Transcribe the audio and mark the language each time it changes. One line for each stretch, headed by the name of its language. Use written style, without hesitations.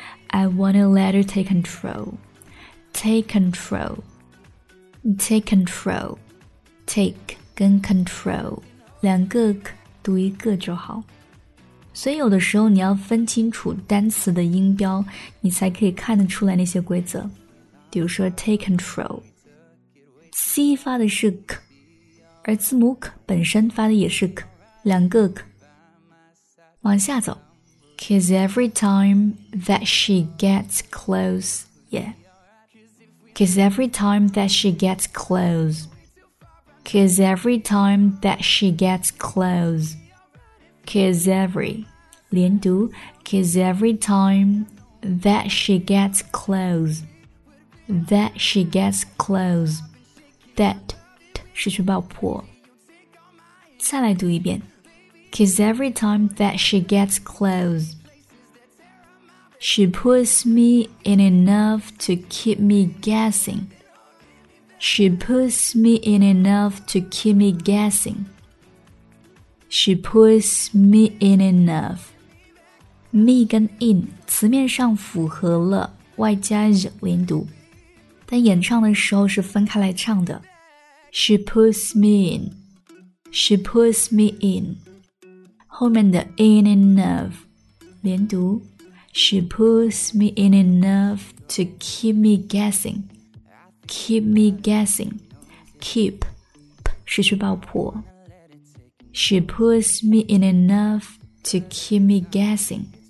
English: I wanna let her take control. Take control. Take control.
Chinese: Take 跟 control, 两个 k 读一个就好。所以有的时候你要分清楚单词的音标，你才可以看得出来那些规则。比如说 take control， C 发的是 k， 而字母 k 本身发的也是 k， 两个 k。往下走
English: ，cause every time that she gets close， yeah， cause every time that she gets close， cause every time that she gets close， cause every。
Chinese: 连读
English: Cause every time that she gets close, that she gets close, that
Chinese: 是去爆破。再来读一遍
English: Cause every time that she gets close, she puts me in enough to keep me guessing. She puts me in enough to keep me guessing. She puts me in enough.
Chinese: Me 跟 in 词面上符合了，外加 z 连读，但演唱的时候是分开来唱的。
English: She puts me in, she puts me in.
Chinese: 后面的
English: in enough 连读 ，She puts me in enough to keep me guessing, keep me guessing. Keep
Chinese: 是去爆破。
English: She puts me in enough to keep me guessing.